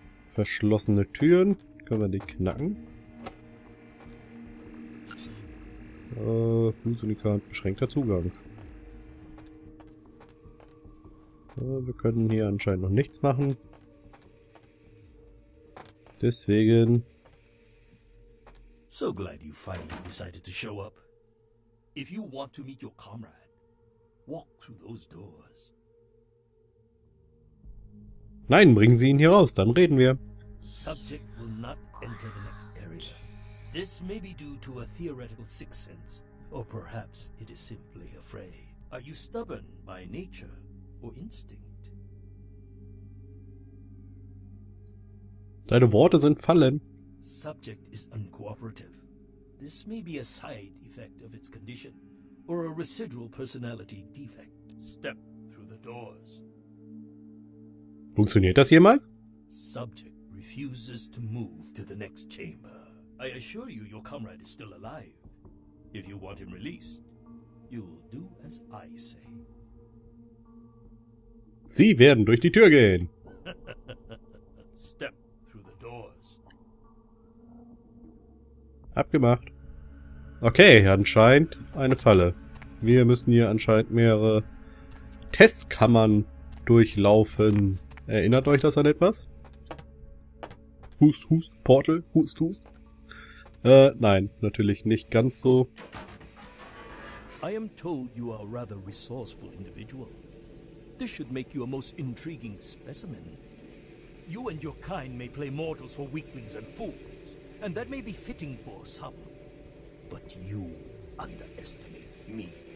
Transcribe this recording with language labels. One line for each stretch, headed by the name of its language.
German: Verschlossene Türen. Können wir die knacken? Fu-Syndikat, beschränkter Zugang. Wir können hier anscheinend noch nichts machen. Deswegen.
English: So glad you finally decided to show up. If you want to meet your comrade. Walk through those doors.
German: Nein, bringen Sie ihn hier raus, dann reden wir.
English: Subject will not enter the next area. This may be due to a theoretical sixth sense, or perhaps it is simply afraid. Are you stubborn by nature or instinct?
German: Deine Worte sind Fallen.
English: Subject is uncooperative. This may be a side effect of its condition. Or a residual personality defect. Step through the doors.
German: Funktioniert das jemals?
English: Subject refuses to move to the next chamber. I assure you, your comrade is still alive. If you want him released, you'll do as I say.
German: Sie werden durch die Tür gehen.
English: Step through the doors.
German: Abgemacht. Okay, anscheinend eine Falle. Wir müssen hier anscheinend mehrere Testkammern durchlaufen. Erinnert euch das an etwas? Hust, hust, Portal, hust, hust. Nein, natürlich nicht ganz so.
English: I am told you are a rather resourceful individual. This should make you a most intriguing specimen. You and your kind may play mortals for weaklings and fools, and that may be fitting for some. But you underestimate me.